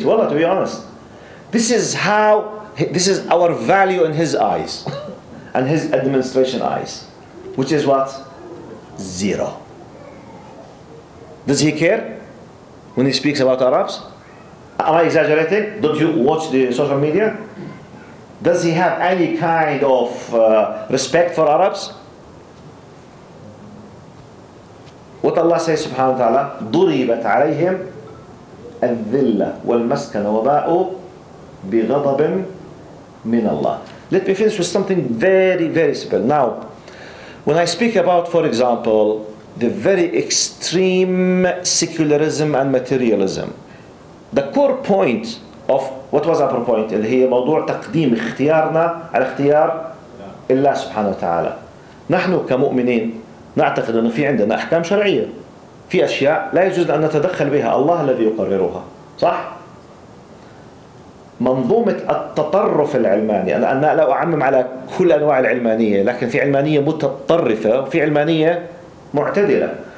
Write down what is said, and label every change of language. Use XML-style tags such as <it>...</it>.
<en>to be honest, this is our value in his eyes and his administration eyes, which is what? Zero. Does he care when he speaks about Arabs? Am I exaggerating? Don't you watch the social media? Does he have any kind of respect for Arabs? What Allah says</en> <ar>subhanahu wa ta'ala, ضُرِبَتْ عَلَيْهِمْ الذِّلَّةِ وَالْمَسْكَنَ وَبَاءُ بِغَضَبٍ مِّنَ اللَّهِ.</ar> <en>Let me finish with something very, very simple. Now, when I speak about, for example, the very extreme secularism and materialism, the core point of what was our point,</en> <ar>اللي هي موضوع تقديم اختيارنا على اختيار الله سبحانه وتعالى. نحن كمؤمنين نعتقد أنه في عندنا أحكام شرعية، في أشياء لا يجوز أن نتدخل بها، الله الذي يقررها، صح؟ منظومة التطرف العلماني، أنا لا أعمم على كل أنواع العلمانية، لكن في علمانية متطرفة وفي علمانية معتدلة.</ar>